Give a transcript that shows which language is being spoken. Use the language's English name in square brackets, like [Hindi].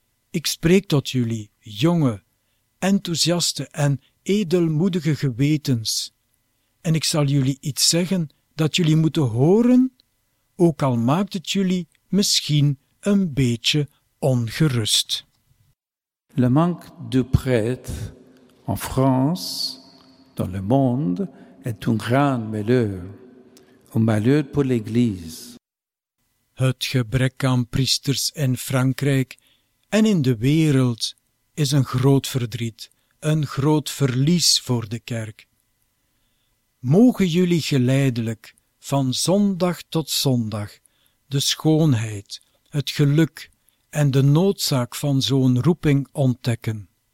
[Dutch] Ik spreek tot jullie, jonge, enthousiaste en edelmoedige gewetens, en ik zal jullie iets zeggen dat jullie moeten horen, ook al maakt het jullie misschien een beetje ongerust. [French] Le manque de prêtres en France, dans le monde, est un grand malheur, un malheur pour l'Église. [Dutch] Het gebrek aan priesters in Frankrijk en in de wereld is een groot verdriet, een groot verlies voor de kerk. Mogen jullie geleidelijk, van zondag tot zondag, de schoonheid, het geluk en de noodzaak van zo'n roeping ontdekken.